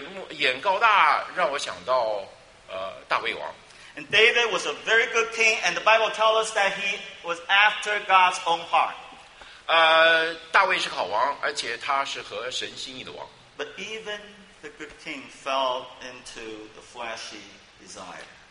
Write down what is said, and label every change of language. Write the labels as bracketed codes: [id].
[zh] 眼高大让我想到大卫王。 [en] And David was a very good king, and the Bible tells us that he was after God's own heart. [zh] 大卫是好王，而且他是合神心意的王。 [en] But even the good king fell into the fleshy desire.